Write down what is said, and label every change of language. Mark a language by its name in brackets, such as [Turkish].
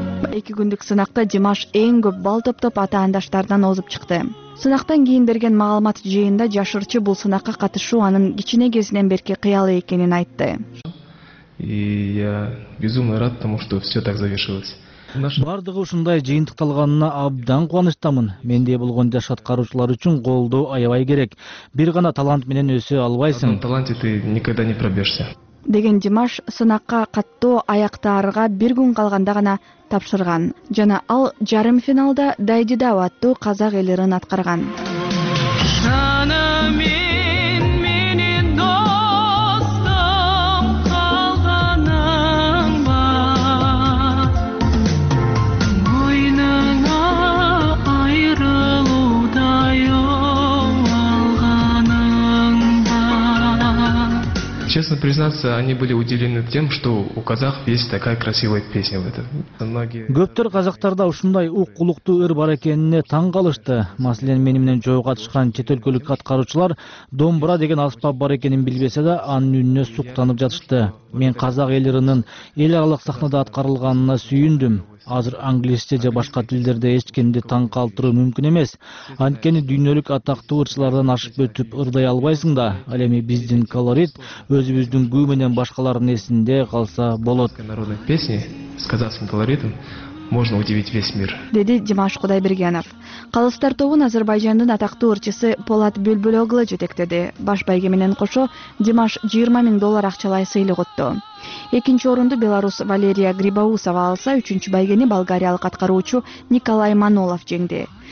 [Kyrgyz] Эки күндүк сынакта Димаш эң көп балл топтоп атаандаштардан озуп чыкты. Сынактан кийин берген маалымат жыйынында жашырчы бул сынакка катышуу анын кичине кезинен берки кыялы экенин айтты. [Russian] И я безумно рад тому, что всё так завершилось. [Kyrgyz] Бардыгы ушундай жыйынтыкталганына абдан кубанычтамын. Мендей болгон жаш аткаруучулар үчүн колдоо аябай керек. Бир гана талант менен өсө албайсың. [Russian] Талант ты никогда не пробьёшься. [Kyrgyz] Деген Димаш сынакка каттоо аяктарга бир күн калганда гана тапшырган жана ал жарым финалда Дайдида аттуу казак эл ырын аткарган. [Russian] Честно признаться, они были удивлены тем, что у казахов есть такая красивая песня в этом. [Kyrgyz] Көптөр казактарда ушундай укулуктуу ыр бар экенине таң калышты. Маселен, мени менен жоо катышкан чет өлкөлүк аткаруучулар домбура деген аспап бар экенин билбесе да, анын үнүнө суктанып жатышты. Мен казак эл ырынын эл аралык сахнада аткарылганына сүйүндүм. Азыр англисче же башка тилдерде эч кимди таң калтыруу мүмкүн эмес. Анткени дүйнөлүк атактуу ырчылардан ашып өтүп ырдай албайсың да. Ал эми биздин колорит өзүбүздүн күү менен башкалардын эсинде калса болот. [Russian] Народная песня с казахским колоритом можно удивить весь мир. [Kyrgyz] Деди Димаш Кудайбергенов. Калыстар тобун Азербайжандын атактуу ырчысы Полат Бүлбүлөглу жетектеди. Баш байге менен кошо Димаш 20,000 доллар акчалай сыйлыгытты. Экинчи орунду белорус Валерия Грибоусова алса, үчүнчү байгени болгариялык аткаруучу Николай Манолов жеңди.